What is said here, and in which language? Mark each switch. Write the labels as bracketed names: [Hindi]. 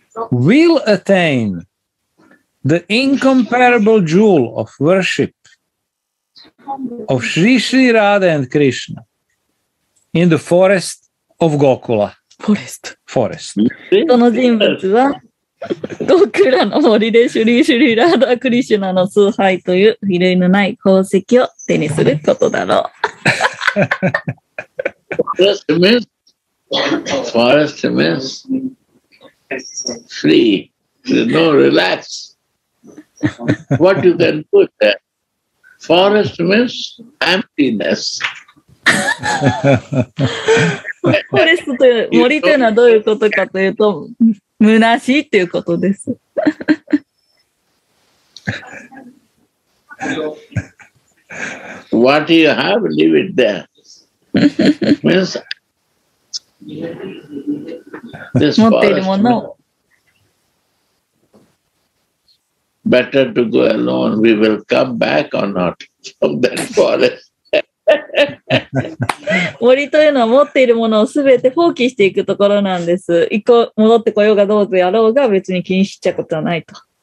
[English] Will attain the incomparable jewel of worship of Sri Sri Radha and Krishna in the forest of Gokula. Forest. [Japanese] その人物はゴクラの森でシュリシュリラーダークリシュナの崇拝という比類のない宝石を手にすることだろう。 [English] Forest means forest means free, no relax. What you can put there? Forest means emptiness. [Japanese] フォレストという森というのはどういうことかというと虚しいということです。 [English] What you have, leave it there. Means, [Japanese] 持っているもの [English] Better to go alone. We will come back or not from that forest. [Japanese] 森というのは持っているものをすべて放棄していくところなんです。一個戻ってこようがどうぞやろうが別に気にしちゃうことはないと。